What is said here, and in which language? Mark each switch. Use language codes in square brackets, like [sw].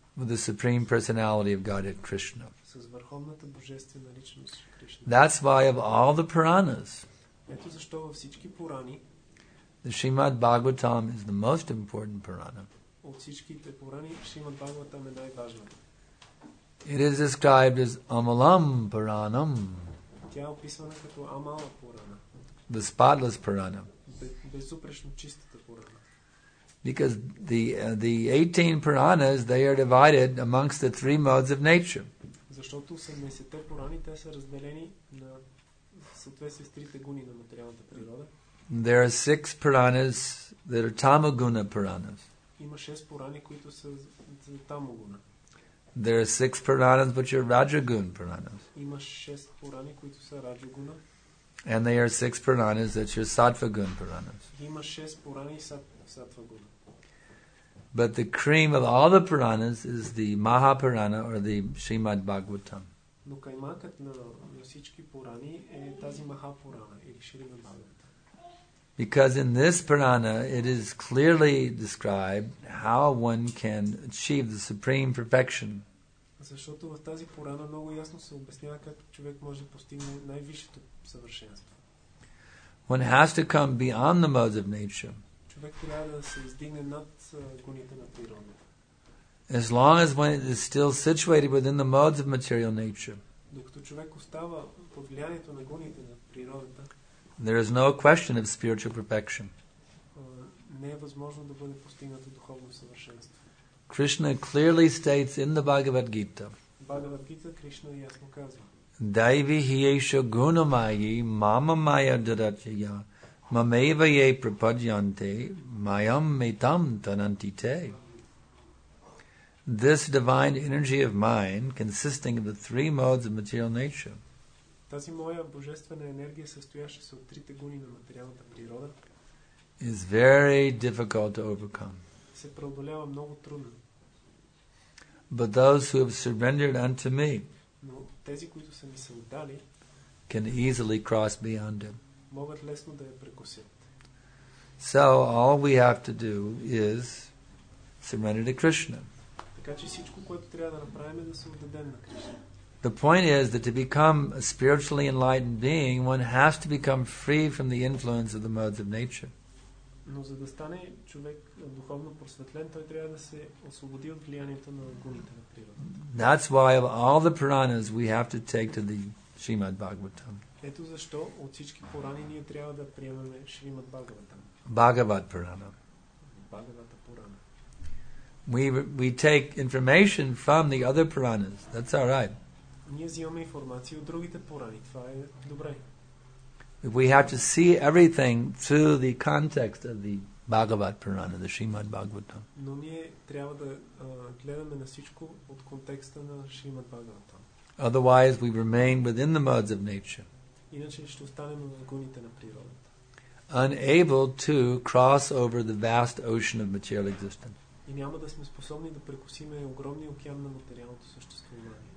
[en] with the supreme personality of Godhead Krishna. [bg] С върховната божествена личност Кришна. [en] That's why of all the Puranas. [bg] Ето защо във всички Пурани [en] the Srimad Bhagavatam is the most important Purana. [bg] От всичките Пурани, Srimad Bhagavatam е най-важното. [en] It is described as Amalam Puranam. [bg] Тя е описана като Амала Пурана. [en] The spotless Purana. [bg] Безупречно чистата Пурана. [en] Because the 18 Puranas, they are divided amongst the three modes of nature. [bg] Защото 18-те Пурани, те са разделени на съответствие с трите гуни на материалната природа. [en] There are six Puranas that are Tamaguna Puranas. [bg] Има шест Пурани, които са за Тамогуна. [en] There are six Puranas which are Rajagun Puranas. [bg] Има шест Пурани, които са Раджагуна. [en] And there are six Puranas that are Сатвагун Puranas. [bg] Има шест Пурани Сатвагуна. [en] But the cream of all the Puranas is the Mahapurana or the Srimad Bhagavatam. [bg] Но каймакът на всички Пурани е тази Mahapurana или Srimad Bhagavatam. [en] Because in this Purana, it is clearly described how one can achieve the supreme perfection. [bg] Защото в тази Пурана много ясно се обяснява как човек може да постигне най-висшето съвършенство. [en] One has to come beyond the modes of nature. [bg] Човек трябва да се издигне над гуните на природата. [en] As long as one is still situated within the modes of material nature. [bg] Докато човек остава под влиянието на гуните на природата, [en] there is no question of spiritual perfection. [bg] Не е възможно да бъде постигнато духовно съвършенство. [en] Krishna clearly states in the Bhagavad Gita. [bg] Bhagavad Gita Krishna ясно казва. [sa] Daivi hiyesha gunamayi mama maya dadatya mameva ye prapadyante mayam metam tanantite. [en] This divine energy of mine consisting of the three modes of material nature. [bg] Тази моя божествена енергия, състояща се от трите гуни на материалната природа, [en] is very difficult to overcome. [bg] Се преодолява много трудно. [en] But those who have surrendered unto me, [bg] но тези, които са ми се отдали, [en] can easily cross beyond it. [bg] Могат лесно да я прекусят. [en] So all we have to do is surrender to Krishna. [bg] Така че всичко, което трябва да направим, е да се отдадем на Кришна. [en] The point is that to become a spiritually enlightened being, one has to become free from the influence of the modes of nature. [bg] Но за да стане човек духовно просветлен, той трябва да се освободи от влиянието на гуните на природата. [en] That's why of all the Puranas we have to take to the Srimad Bhagavatam. [bg] Ето защо от всички Пурани ние трябва да приемаме Шримад Бхагаватам. Бхагават Пурана. Бхагавата Пурана. [en] We take information from the other Puranas. That's all right. [bg] Ние взимаме информация от другите Пурани. Това е добре. [en] If we have to see everything through the context of the Bhagavat Purana, the Srimad Bhagavatam. [bg] Но ние трябва да гледаме на всичко от контекста на Srimad Bhagavatam. [en] Otherwise, we remain within the modes of nature. [bg] иначе ще останем в лагуните на природата. [en] Unable to cross over the vast ocean of material existence. [bg] И няма да сме способни да прекусим огромния океан на материалното съществуване.